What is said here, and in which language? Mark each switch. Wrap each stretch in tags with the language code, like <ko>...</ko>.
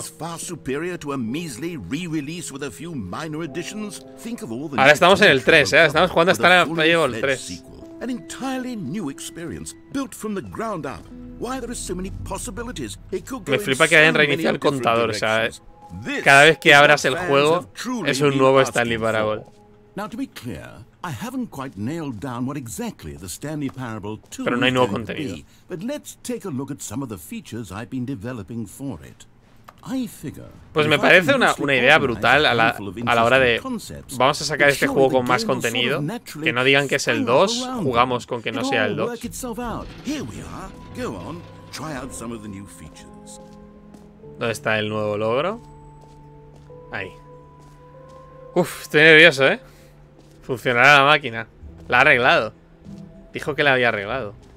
<en>It's far superior to a measly re-release with a few minor additions. Think of all the.</en> <es>Ahora estamos en el 3, ¿eh? Estamos jugando hasta el 3.</es> <en>An entirely new experience built from the ground up. Why there are so many possibilities? It could go.</en> <es>Me flipa que hayan reiniciado el contador, o sea, ¿eh? Cada vez que abras el juego es un nuevo Stanley Parable.</es> <en>Now to be clear, I haven't quite nailed down what exactly the Stanley Parable 2 is going to be, but let's take a look at some of the features I've been developing for it. I figure.</en> <es>Pues me parece una idea brutal a la hora de vamos a sacar este juego con más contenido, que no digan que es el 2, jugamos con que no sea el 2.</es> <en>Here we are. Go on, try out some of the new features.</en> <es>¿Dónde está el nuevo logro? Ahí. Uf, estoy nervioso, ¿eh? Funcionará la máquina. La ha arreglado. Dijo que la había arreglado.</es>